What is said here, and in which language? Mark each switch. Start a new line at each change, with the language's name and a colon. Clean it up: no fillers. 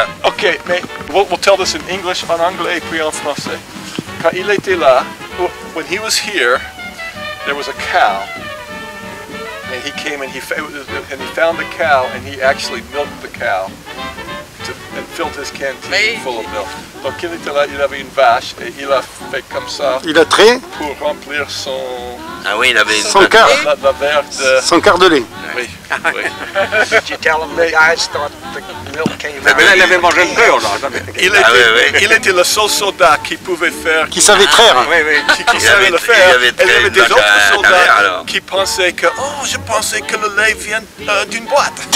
French: Ok, mais
English: we'll tell this in English,
French: en anglais, puis en français. Quand il était là,
English: when he was here, there was a cow. And he came and he found the cow and he actually milked the cow and filled his canteen full of milk.
French: Donc il était là, il avait une vache et il a fait comme ça. Il a trait pour remplir son ah oui il avait son quart la verre de son quart de lait. Ouais. Oui.
English: Did you tell them the guys thought the milk came out?
French: Mais là, il avait mangé le beurre, là. Il était, il était le seul soldat qui pouvait faire... Qui savait traire. Oui, oui, qui savait le faire. Il y avait des autres soldats qui pensaient que... Oh, je pensais que le lait vient d'une boîte.